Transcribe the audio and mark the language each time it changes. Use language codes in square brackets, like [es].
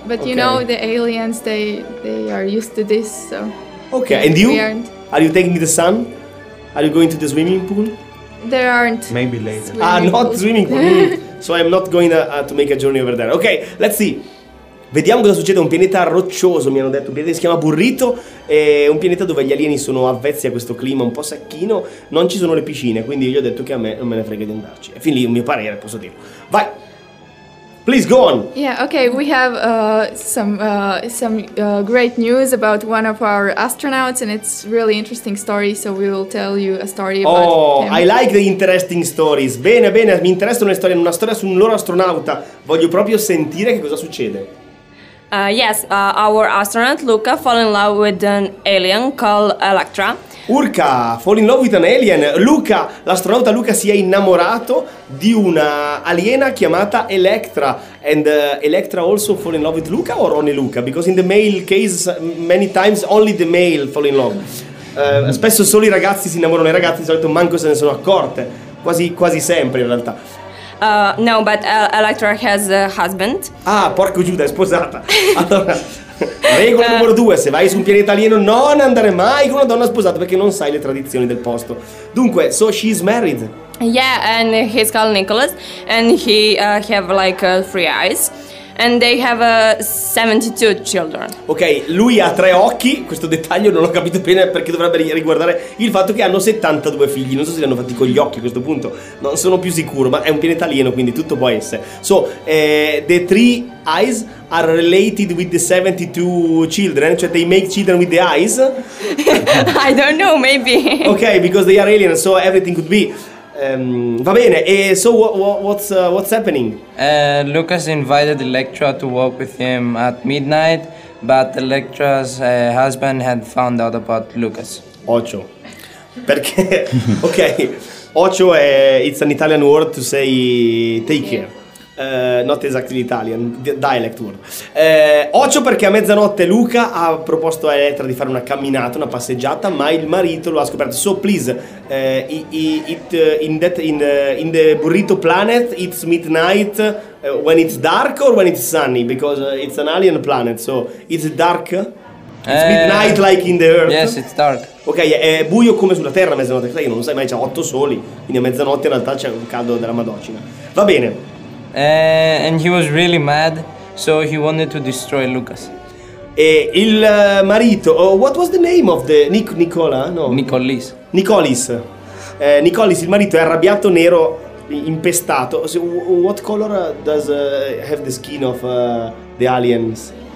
[en] But okay. You know, the aliens, they are used to this, so... Okay, and you? Are you taking the sun? Are you going to the swimming pool? There aren't. Maybe later. Not swimming pool. So I'm not going to make a journey over there. Okay, let's see. [it] Vediamo cosa succede. Un pianeta roccioso, mi hanno detto. Un pianeta che si chiama Burrito. È un pianeta dove gli alieni sono avvezzi a questo clima un po' secchino. Non ci sono le piscine, quindi gli ho detto che a me non me ne frega di andarci. E fin lì il mio parere, posso dirlo. Vai! [en] Please go on. Yeah, okay, we have some great news about one of our astronauts and it's really interesting story, so we will tell you a story about him. Oh, I like the interesting stories. [it] Bene, bene, mi interessano le storie, una storia su un loro astronauta. Voglio proprio sentire che cosa succede. [en] Our astronaut Luca fell in love with an alien called Electra. Urca, fall in love with an alien. [it] Luca, l'astronauta Luca si è innamorato di una aliena chiamata Electra. [en] And Electra also fall in love with Luca or only Luca? Because in the male case, many times only the male fall in love. [it] Spesso solo i ragazzi si innamorano, i ragazzi di solito manco se ne sono accorte. Quasi sempre in realtà. [en] No, but Electra has a husband. [it] Ah, porco Giuda, è sposata. Allora, regola numero due, se vai su un pianeta alieno non andare mai con una donna sposata perché non sai le tradizioni del posto. Dunque, [en] so she's married. Yeah, and he's called Nicholas and he have like three eyes and they have 72 children. [it] Ok, lui ha tre occhi, questo dettaglio non l'ho capito bene perché dovrebbe riguardare il fatto che hanno 72 figli. Non so se li hanno fatti con gli occhi a questo punto, non sono più sicuro, ma è un pianeta alieno quindi tutto può essere. [en] So, the three eyes are related with the 72 children, [it] cioè [en] they make children with the eyes? I don't know, maybe. Ok, because they are alien, so everything could be... [it] va bene, [en] so what's happening? Lucas invited Electra to walk with him at midnight, but Electra's husband had found out about Lucas. [it] Ocho. Perché, ok, ocho è, [en] it's an Italian word to say take care. Not exactly Italian, dialect word. [it] Ocho perché a mezzanotte Luca ha proposto a Elettra di fare una camminata, una passeggiata, ma il marito lo ha scoperto. [en] So please, in the Burrito planet it's midnight when it's dark or when it's sunny? Because it's an alien planet, so it's dark? It's midnight like in the Earth? Yes, it's dark. [it] Ok, è buio come sulla Terra a mezzanotte, sai, non lo sai mai, c'è otto soli, quindi a mezzanotte in realtà c'è un caldo della Madocina. Va bene. [en] And he was really mad, so he wanted to destroy Lucas. [it] E il marito, [en] what was the name of the... [it] Nicola? No. Nicolis. Nicolis. Nicolis, il marito è arrabbiato, nero, impestato. [en] So, what color does have the skin of the aliens?